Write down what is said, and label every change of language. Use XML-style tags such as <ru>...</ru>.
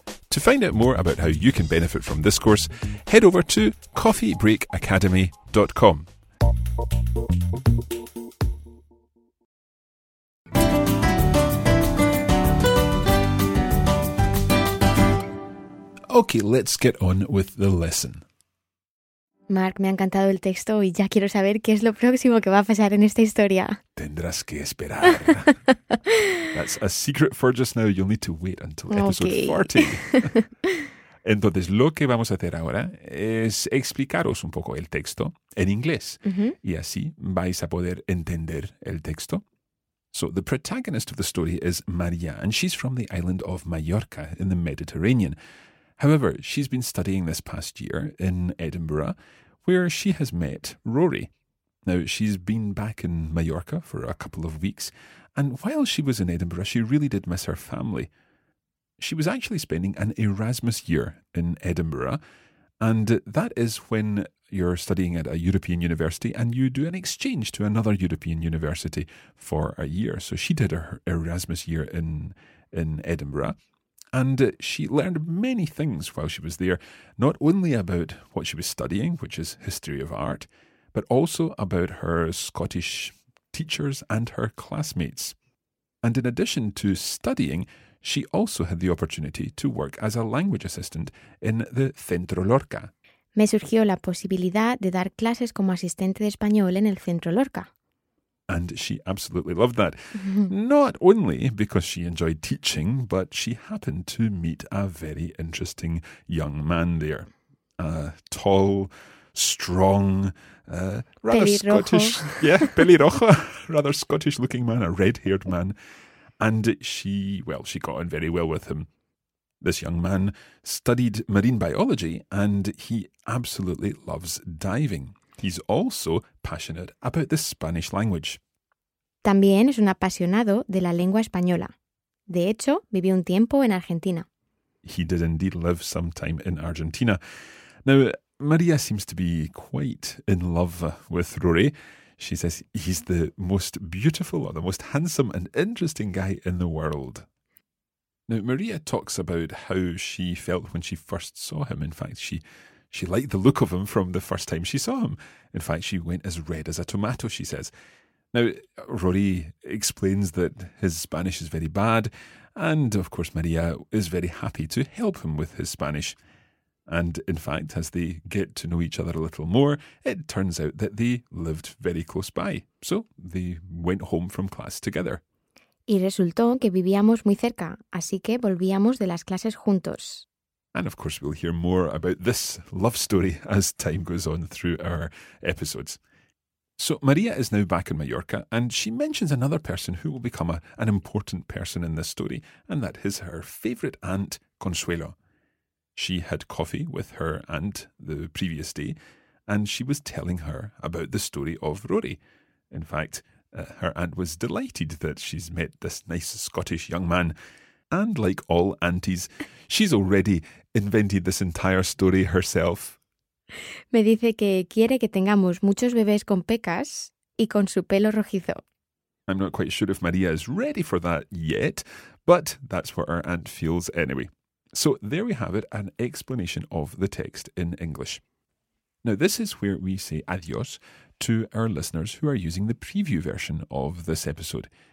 <en>To find out more about how you can benefit from this course, head over to coffeebreakacademy.com. Okay, let's get on with the lesson.</en> <es>Mark, me ha encantado el texto y ya quiero saber qué es lo próximo que va a pasar en esta historia. Tendrás que esperar.</es> <en>That's a secret for just now. You'll need to wait until episode 40.</en> <es>Entonces, lo que vamos a hacer ahora es explicaros un poco el texto en inglés. Mm-hmm. Y así vais a poder entender el texto.</es> <en>So, the protagonist of the story is María, and she's from the island of Mallorca in the Mediterranean. However, she's been studying this past year in Edinburgh, where she has met Rory. Now, she's been back in Mallorca for a couple of weeks, and while she was in Edinburgh, she really did miss her family. She was actually spending an Erasmus year in Edinburgh, and that is when you're studying at a European university and you do an exchange to another European university for a year. So she did her Erasmus year in Edinburgh. And she learned many things while she was there, not only about what she was studying, which is history of art, but also about her Scottish teachers and her classmates. And in addition to studying, she also had the opportunity to work as a language assistant in the Centro Lorca.</en> <es>Me surgió la posibilidad de dar clases como asistente de español en el Centro Lorca.</es> <en>And she absolutely loved that. Not only because she enjoyed teaching, but she happened to meet a very interesting young man there. A tall, strong, rather</en> <es>pelirrojo.</es> <en>Scottish. Yeah, pelirrojo. Rather Scottish looking man, a red haired man. And she got on very well with him. This young man studied marine biology and he absolutely loves diving. He's also passionate about the Spanish language.</en> <es>También es un apasionado de la lengua española. De hecho, vivió un tiempo en Argentina.</es> <en>He did indeed live some time in Argentina. Now, María seems to be quite in love with Rory. She says he's the most beautiful or the most handsome and interesting guy in the world. Now, María talks about how she felt when she first saw him. In fact, she liked the look of him from the first time she saw him. In fact, she went as red as a tomato, she says. Now, Rory explains that his Spanish is very bad, and of course, María is very happy to help him with his Spanish. And in fact, as they get to know each other a little more, it turns out that they lived very close by. So they went home from class together.</en> <es>Y resultó que vivíamos muy cerca, así que volvíamos de las clases juntos.</es> <en>And of course, we'll hear more about this love story as time goes on through our episodes. So María is now back in Mallorca, and she mentions another person who will become an important person in this story, and that is her favourite aunt, Consuelo. She had coffee with her aunt the previous day, and she was telling her about the story of Rory. In fact, her aunt was delighted that she's met this nice Scottish young man. And like all aunties, she's already invented this entire story herself.</en> <es>Me dice que quiere que tengamos muchos bebés con pecas y con su pelo rojizo.</es> <en>I'm not quite sure if Maria is ready for that yet, but that's what our aunt feels anyway. So there we have it, an explanation of the text in English. Now, this is where we say adios to our listeners who are using the preview version of this episode.</en>